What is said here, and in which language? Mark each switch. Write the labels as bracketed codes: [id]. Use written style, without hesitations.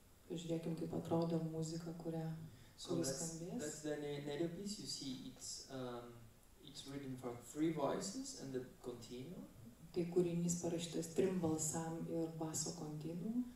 [lt] Pažiūrėkim, kaip atrodo muzika, kurią skambės. [en] So that's the Nerio piece, you see it's written for three voices and the continuo. [lt] Tai kūrinys parašytas trim balsam ir baso continuo.